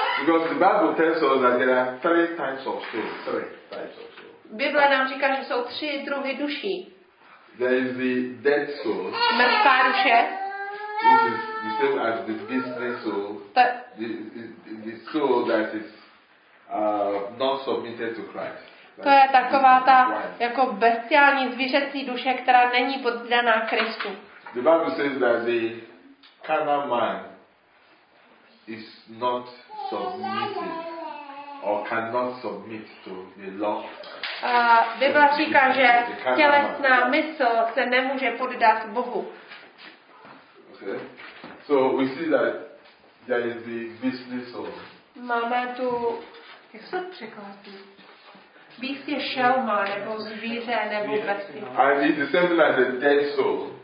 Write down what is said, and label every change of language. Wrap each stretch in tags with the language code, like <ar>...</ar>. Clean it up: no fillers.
<en>Because the Bible tells us that there are 3 types of soul, 3 types of soul.</en> <cs>Bible nám říká, že jsou 3 druhy duší.</cs> <en>There is the dead soul.</en> <cs>Mrtvá duše.</cs> <en>Which is the same as the beastly soul. The soul that is not submitted to Christ.</en> <cs>To je taková ta jako bestiální zvířecí duše, která není poddaná Kristu.</cs> <en>The Bible says that the carnal man is not submitted or cannot submit to the law.</en> <cs>Bible říká, že tělesná mysl se nemůže poddat Bohu.</cs> <en>Okay. So we see that there is the beastly soul.</en> <cs>Máme tu, jak se to překládá? Beast je šelma, nebo zvíře, nebo bestie.</cs> <en>It's the same thing as a dead soul.</en>